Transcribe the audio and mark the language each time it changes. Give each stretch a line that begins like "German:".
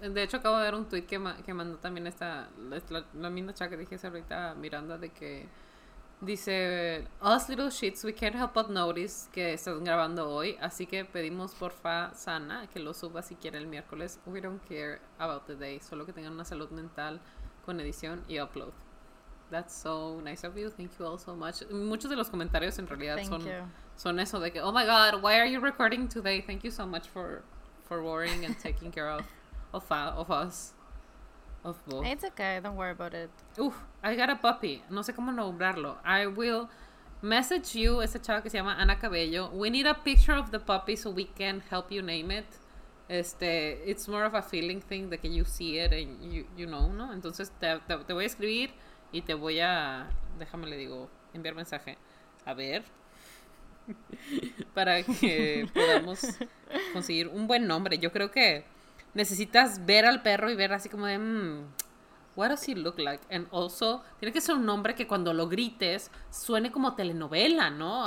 Spanish: De hecho, acabo de ver un tweet que mandó también esta, la misma chica que dije hace ahorita, Miranda, de que dice,
English: us little shits, we can't help but notice
Spanish: que están grabando hoy, así que pedimos porfa sana que lo suba si quiere el miércoles.
English: We don't care about the day,
Spanish: solo que tengan una salud mental con edición y upload.
English: That's so nice of you, thank you all so much.
Spanish: Muchos de los comentarios en realidad son eso de que,
English: oh my god, why are you recording today? Thank you so much for worrying and taking care of us. Of both. It's okay, don't worry about it.
Spanish: Uf,
English: I got a puppy.
Spanish: No sé cómo nombrarlo.
English: I will message you,
Spanish: esa chava que se llama Ana Cabello.
English: We need a picture of the puppy so we can help you name it. It's more of a feeling thing, that you see it and you know, ¿no?
Spanish: Entonces te voy a escribir y te voy a, déjame le digo, enviar mensaje. A ver. Para que podamos conseguir un buen nombre. Yo creo que necesitas ver al perro y ver así como de
English: what does he look like, and also
Spanish: tiene que ser un nombre que cuando lo grites suene como telenovela, ¿no?